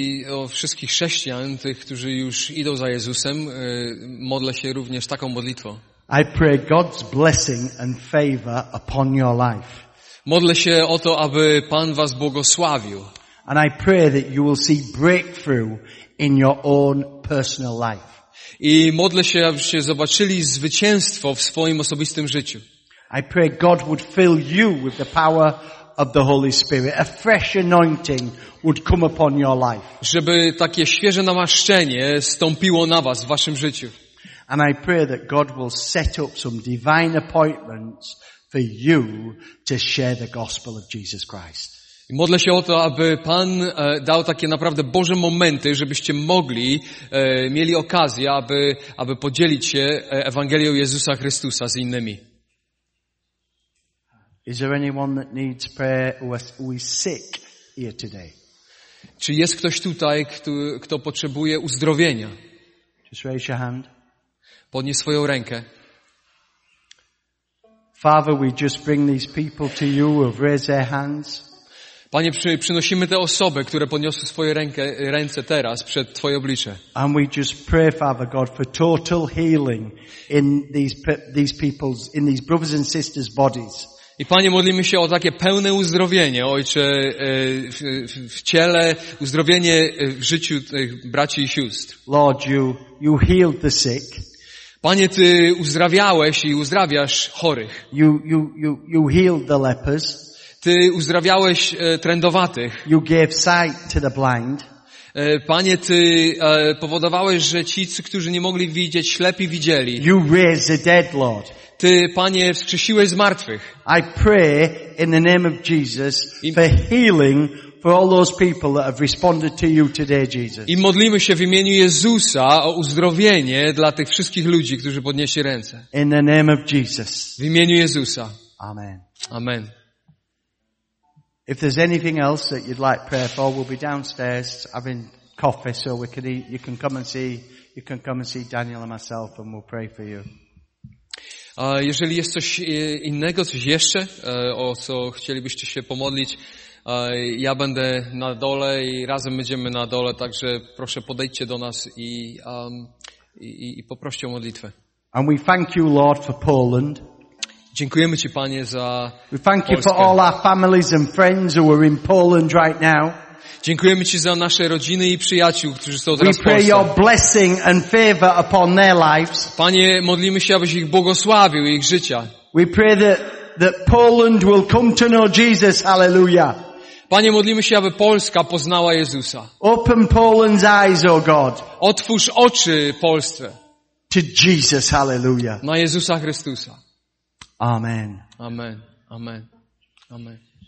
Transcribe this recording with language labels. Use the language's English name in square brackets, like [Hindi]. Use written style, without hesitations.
[Polish] o wszystkich chrześcijan, tych, którzy już idą za Jezusem, modlę się również taką modlitwą. [English] I pray God's blessing and favor upon your life. [Polish] Modlę się o to, aby Pan was błogosławił. [English] And I pray that you will see breakthrough in your own personal life. [Polish] I modlę się, abyście zobaczyli zwycięstwo w swoim osobistym życiu. [English] I pray God would fill you with the power of the Holy Spirit. A fresh anointing would come upon your life. [Polish] Żeby takie świeże namaszczenie stąpiło na was w waszym życiu. [English] And I pray that God will set up some divine appointments for you to share the gospel of Jesus Christ. [Polish] I modlę się o to, aby Pan dał takie naprawdę Boże momenty, żebyście mogli, mieli okazję, aby podzielić się Ewangelią Jezusa Chrystusa z innymi. [English] Is there anyone that needs prayer who is sick here today? [Polish] Czy jest ktoś tutaj, kto potrzebuje uzdrowienia? [English] Just raise your hand. [Polish] Podnieś swoją rękę. [English] Father, we just bring these people to you who have raised their hands. [Polish] Panie, przynosimy te osoby, które podniosły swoje ręce teraz przed Twoje oblicze. [English] And we just pray, Father God, for total healing in these people's, in these brothers and sisters' bodies. [Polish] I Panie, modlimy się o takie pełne uzdrowienie, Ojcze, w ciele, uzdrowienie w życiu tych braci i sióstr. [English] Lord, you healed the sick. [Polish] Panie, Ty uzdrawiałeś i uzdrawiasz chorych. [English] You healed the lepers. [Polish] Ty uzdrawiałeś trędowatych. [English] You gave sight to the blind. [Polish] Panie, Ty powodowałeś, że ci, którzy nie mogli widzieć, ślepi widzieli. [English] You raised the dead, Lord. [Polish] Ty, Panie, wskrzesiłeś zmartwych. [English] I pray in the name of Jesus for healing for all those people that have responded to you today, Jesus. [Polish] I modlimy się w imieniu Jezusa o uzdrowienie dla tych wszystkich ludzi, którzy podnieśli ręce. [English] In the name of Jesus. [Polish] W imieniu Jezusa. [English] Amen. [Polish] Amen. [English] If there's anything else that you'd like prayer for, we'll be downstairs having coffee, so we can eat. You can come and see Daniel and myself, and we'll pray for you. [Polish] Jeżeli jest coś innego, coś jeszcze, o co chcielibyście się pomodlić, ja będę na dole i razem będziemy na dole, także proszę podejdźcie do nas i poproście o modlitwę. [English] And we thank you, Lord, for Poland. [Polish] Dziękujemy Ci, Panie, za Polskę. [English] We thank you for all our families and friends who are in Poland right now. [Polish] Dziękujemy Ci za nasze rodziny i przyjaciół, którzy są teraz w Polsce. [English] We pray your blessing and favor upon their lives. [Polish] Panie, modlimy się, abyś ich błogosławił i ich życia. [English] We pray that Poland will come to know Jesus. Hallelujah. [Polish] Panie, modlimy się, aby Polska poznała Jezusa. [English] Open Poland's eyes, O God. [Polish] Otwórz oczy Polsce. [English] To Jesus. Hallelujah. [Polish] Na Jezusa Chrystusa. [English] Amen. [Polish] Amen. Amen. Amen.